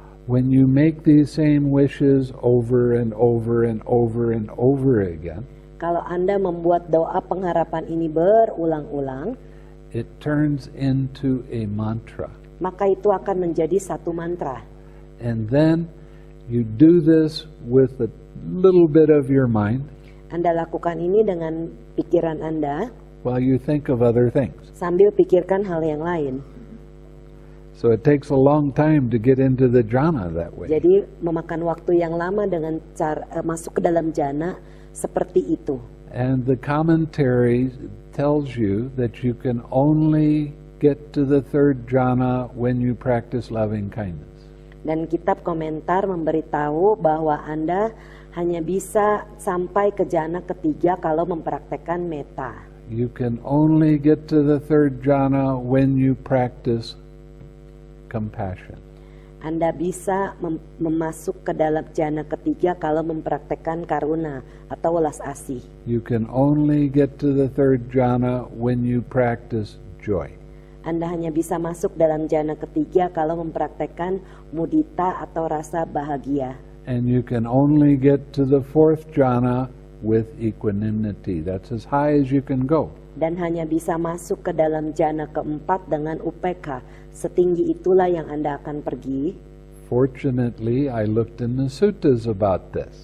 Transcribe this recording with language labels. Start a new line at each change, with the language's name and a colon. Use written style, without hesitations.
English: When you make these same wishes over and over and over and over again,
Indonesian: kalau Anda membuat doa pengharapan ini berulang-ulang,
English: it turns into a mantra.
Indonesian: Maka itu akan menjadi satu mantra.
English: And then you do this with a little bit of your mind.
Indonesian: Anda lakukan ini dengan pikiran Anda.
English: While you think of other things.
Indonesian: Sambil pikirkan hal yang lain.
English: So it takes a long time to get into the jhana that way.
Indonesian: Jadi memakan waktu yang lama dengan masuk ke dalam jhana seperti itu.
English: And the commentary tells you that you can only get to the third jhana when you practice loving kindness.
Indonesian: Dan kitab komentar memberitahu bahwa Anda hanya bisa sampai ke jhana ketiga kalau mempraktikkan metta.
English: You can only get to the third jhana when you practice compassion.
Indonesian: Anda bisa memasuk ke dalam jhana ketiga kalau mempraktikkan karuna atau welas asih.
English: You can only get to the third jhana when you practice joy.
Indonesian: Anda hanya bisa masuk dalam jhana ketiga kalau mempraktikkan mudita atau rasa bahagia.
English: And you can only get to the fourth jhana with equanimity. That's as high as you can go.
Indonesian: Dan hanya bisa masuk ke dalam jhana keempat dengan upekkha. Setinggi itulah yang Anda akan pergi.
English: Fortunately, I looked in the suttas about this.